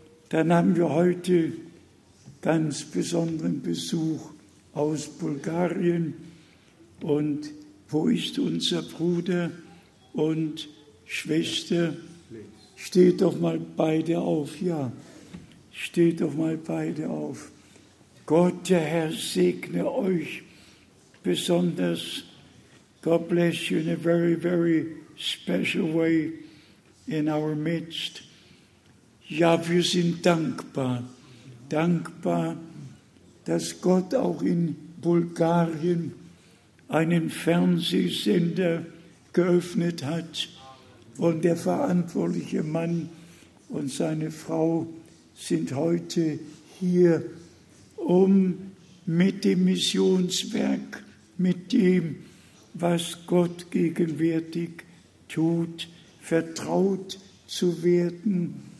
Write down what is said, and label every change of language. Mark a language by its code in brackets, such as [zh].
[de] Dann haben wir heute ganz besonderen Besuch aus Bulgarien. Und wo ist unser Bruder und Schwester? Steht doch mal beide auf, ja. Steht doch mal beide auf. Gott, der Herr, segne euch besonders. [en] God bless you in a very, very special way in our midst. [de] Ja, wir sind dankbar. Dankbar, dass Gott auch in Bulgarien einen Fernsehsender geöffnet hat und der verantwortliche Mann und seine Frau sind heute hier, um mit dem Missionswerk, mit dem, was Gott gegenwärtig tut, vertraut zu werden.